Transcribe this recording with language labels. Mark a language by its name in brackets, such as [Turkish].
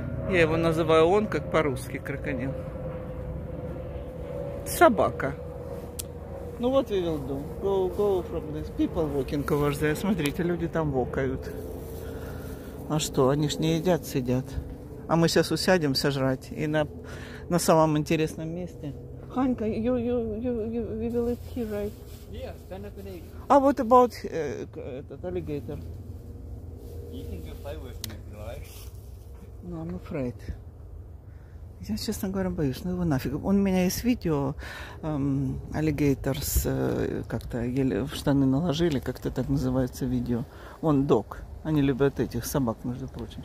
[Russian] Я его называю он, как по-русски, крокодил. Собака. [English] Ну, what we will do? Go from this. People walking over there. [Russian] Смотрите, люди там вокают. А что, они ж не едят, сидят. А мы сейчас усядемся жрать и на самом интересном месте. [English] Ханька, you will eat here, right? Yeah, stand up and eat. А what about этот alligator? You can go play with him if you like. No, I'm afraid. [Russian] Я, честно говоря, боюсь. Ну его нафиг. Он у меня есть видео. Alligators как-то еле в штаны наложили. Как-то так называется видео. Он дог. Они любят этих собак, между прочим.